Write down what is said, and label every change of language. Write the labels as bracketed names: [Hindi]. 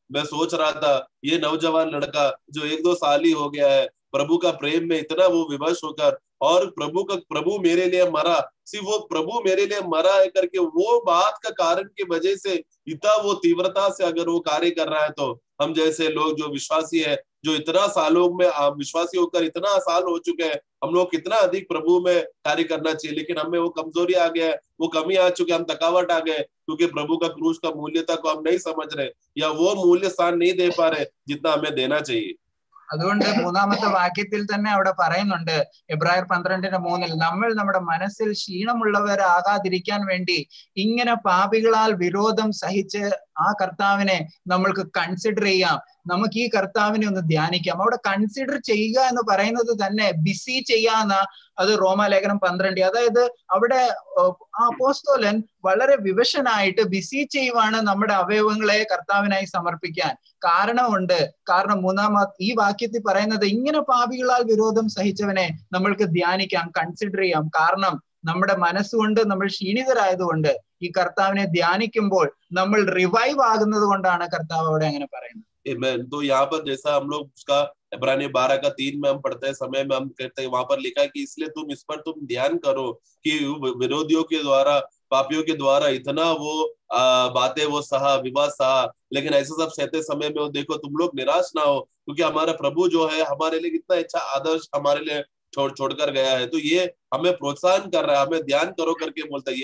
[Hindi] मैं सोच रहा था ये नौजवान लड़का जो एक दो साल ही हो गया है प्रभु का प्रेम में इतना वो विवश होकर और प्रभु का प्रभु मेरे लिए मरा, सिर्फ वो प्रभु मेरे लिए मरा है करके वो बात का कारण के वजह से इतना वो तीव्रता से अगर वो कार्य कर रहा है तो हम जैसे लोग जो विश्वासी है जो इतना सालों में विश्वासी होकर इतना साल हो चुके हैं हम लोग कितना अधिक प्रभु में कार्य करना चाहिए, लेकिन हमें वो कमजोरी आ गया है, वो कमी आ चुकी है, हम थकावट आ गए क्योंकि प्रभु का क्रूस का मूल्यता को हम नहीं समझ रहे या वो मूल्य स्थान नहीं दे पा रहे जितना हमें देना चाहिए. [Malayalam] അതുകൊണ്ട് മൂന്നാമത്തെ വാക്യത്തിൽ തന്നെ അവിടെ പറയുന്നുണ്ട് എബ്രായർ 12:3 നമ്മൾ നമ്മുടെ മനസ്സിൽ ക്ഷീണമുള്ളവരാകാതിരിക്കാൻ വേണ്ടി ഇങ്ങനെ പാപികളാൽ വിരോധം സഹിച്ച് ആ കർത്താവിനെ നമ്മൾക്ക് കൺസിഡർ ചെയ്യാം, നമുക്ക് ഈ കർത്താവിനെ ഒന്ന് ധ്യാനിക്കാം. അവിടെ കൺസിഡർ ചെയ്യുക എന്ന് പറയുന്നത് തന്നെ ബിസി ചെയ്യാന്ന അത് റോമാലേഖനം 12, അതായത് അവിടെ ആ അപ്പോസ്തലൻ വളരെ വിവശനായിട്ട് ബിസി ചെയ്യുവാണ് നമ്മുടെ അവയവങ്ങളെ കർത്താവിനായി സമർപ്പിക്കാൻ കാരണമുണ്ട്. കാരണം മൂന്നാമത്തെ ഈ വാക്യത്തിൽ പറയുന്നത് ഇങ്ങനെ പാപികളാൽ വിരോധം സഹിച്ചവനെ നമ്മൾക്ക് ധ്യാനിക്കാം, കൺസിഡർ ചെയ്യാം. കാരണം നമ്മുടെ മനസ്സുകൊണ്ട് നമ്മൾ ക്ഷീണിതരായതുകൊണ്ട് ഈ കർത്താവിനെ ധ്യാനിക്കുമ്പോൾ നമ്മൾ റിവൈവ് ആകുന്നത് കൊണ്ടാണ് കർത്താവ് അവിടെ അങ്ങനെ പറയുന്നത്. Amen. [Hindi] तो यहाँ पर जैसा हम लोग उसका इब्रानी 12:3 में हम पढ़ते हैं समय में हम कहते हैं वहां पर लिखा है कि इसलिए तुम इस पर तुम ध्यान करो कि विरोधियों के द्वारा पापियों के द्वारा इतना वो बातें वो सहा विवाद सहा, लेकिन ऐसे सब सहते समय में वो देखो तुम लोग निराश ना हो क्योंकि हमारा प्रभु जो है हमारे लिए इतना अच्छा आदर्श हमारे लिए छोड़कर गया है। तो ये हमें प्रोत्साहन कर रहा है, हमें ध्यान करो करके बोलता है।